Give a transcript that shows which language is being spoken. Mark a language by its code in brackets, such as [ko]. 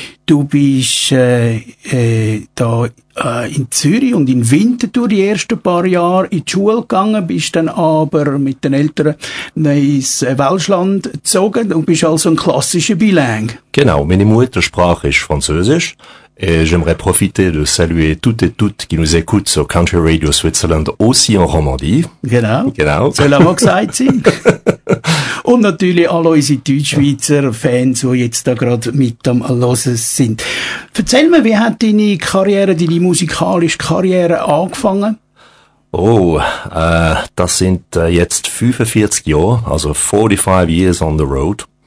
[de] Du bist in Zürich und in Winterthur die ersten paar Jahre in die Schule gegangen, bist dann aber mit den Eltern ins Welschland gezogen und bist also ein klassischer Bilingue. Genau, meine Muttersprache ist Französisch. [fr] Et j'aimerais profiter de saluer toutes et toutes qui nous écoutent sur Country Radio Switzerland aussi en Romandie. [de] Genau. Soll auch gesagt sein. Und natürlich all unsere Deutschschweizer Fans, die jetzt da gerade mit am Hören sind. Erzähl mir, wie hat deine Karriere, deine musikalische Karriere angefangen? Oh, das sind jetzt 45 Jahre, also [en] 45 years on the road.